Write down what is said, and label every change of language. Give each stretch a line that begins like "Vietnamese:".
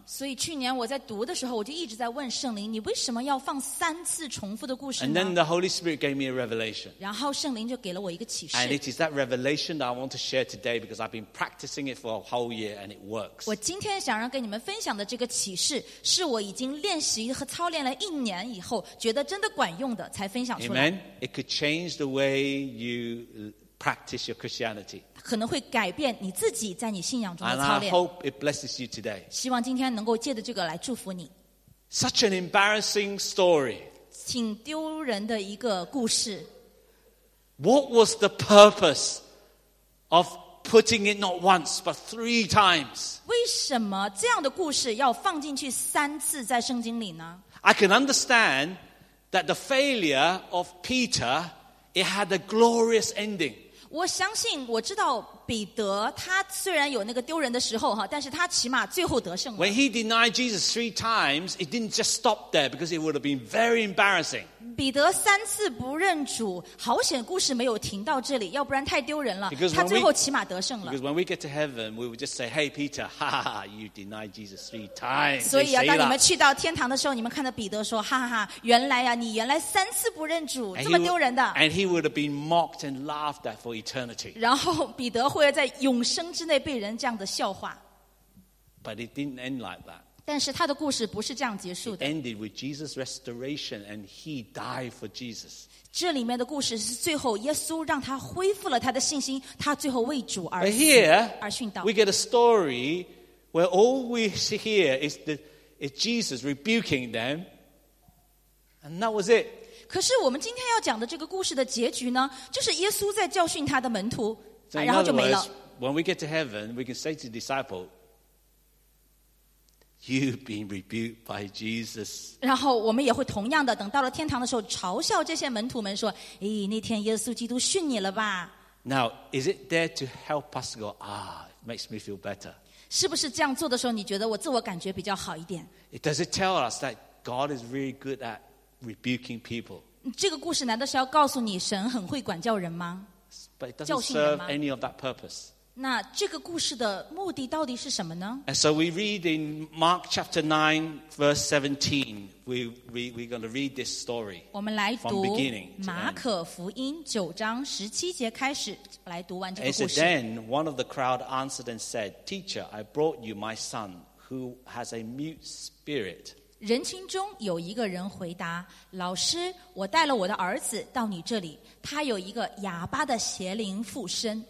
Chinese: 所以去年我在读的时候，我就一直在问圣灵，你为什么要放三次重复的故事呢？
English: And then the Holy Spirit gave me a revelation.
Chinese: 然后圣灵就给了我一个启示。
English: And it is that revelation that I want to share today because I've been practicing it for a whole year and it works.
Chinese: 我今天想让跟你们分享的这个启示，是我已经练习和操练了一年以后，觉得真的管用的，才分享出来。
English: Amen. It could change the way you practice your Christianity.
Chinese: 可能会改变你自己在你信仰中的操练。
English: And I hope it blesses you today.
Chinese: 希望今天能够借着这个来祝福你。
English: Such an embarrassing story.
Chinese: 挺丢人的一个故事。
English: What was the purpose of putting it not once but three times?
Chinese: 为什么这样的故事要放进去三次在圣经里呢？
English: I can understand that the failure of Peter, it had a glorious ending.
Chinese: 我相信我知道彼得他虽然有那个丢人的时候，但是他起码最后得胜了。
English: When he denied Jesus three times, it didn't just stop there because it would have been very embarrassing.
Chinese: 彼得三次不认主，好险故事没有停到这里，要不然太丢人了。他最后起码得胜了。
English: Because when we get to heaven, we will just say, Hey Peter, ha ha ha, you denied Jesus three times.
Chinese: 所以当你们去到天堂的时候，你们看到彼得说，哈哈哈，原来啊，你原来三次不认主，这么丢人的。
English: And he would have been mocked and laughed at for eternity.
Chinese: 然后彼得会在永生之内被人这样的笑话。
English: But it didn't end like that.
Chinese: 但是他的故事不是这样结束的。
English: It ended with Jesus' restoration and he died for Jesus.
Chinese: 这里面的故事是最后耶稣让他恢复了他的信心，他最后为主而死，而殉道。
English: But here, we get a story where all we hear is Jesus rebuking them and that was it.
Chinese: 可是我们今天要讲的这个故事的结局呢，就是耶稣在教训他的门徒，然后就没了。
English: When we get to heaven, we can say to the disciple, You've been rebuked by Jesus.
Chinese: 然后我们也会同样的等到了天堂的时候嘲笑这些门徒们说，哎，那天耶稣基督训你了吧。
English: Now, is it there to help us go, Ah, it makes me feel better.
Chinese: 是不是这样做的时候你觉得我自我感觉比较好一点？
English: Does it tell us that God is really good atrebuking people.
Chinese: 这个故事难道是要告诉你神很会管教人吗？
English: But it doesn't serve any of that purpose.
Chinese: 那这个故事的目的到底是什么呢？
English: And so we read in Mark chapter 9 verse 17. We're going to read this story.
Chinese: 我们来读马可福音九章十七节开始来读完这个故事。
English: And so then one of the crowd answered and said, Teacher, I brought you my son who has a mute spirit.
Chinese: 人群中有一个人回答，老师，我带了我的儿子到你这里，他有一个哑巴的邪灵附身。